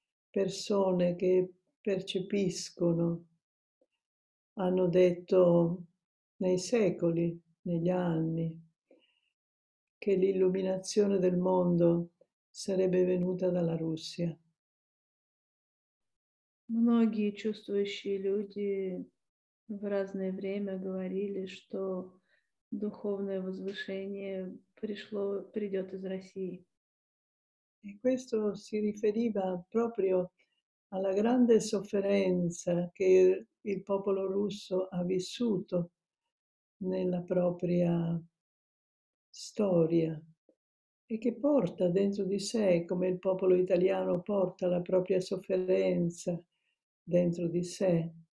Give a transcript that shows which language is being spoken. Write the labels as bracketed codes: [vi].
[it] Persone che percepiscono hanno detto nei secoli, negli anni, che l'illuminazione del mondo sarebbe venuta dalla Russia. [ru] Многие чувствующие люди в разное время говорили, что духовное возвышение пришло, придет из России. [it] E questo si riferiva proprio alla grande sofferenza che il popolo russo ha vissuto nella propria storia e che porta dentro di sé, come il popolo italiano porta la propria sofferenza dentro di sé.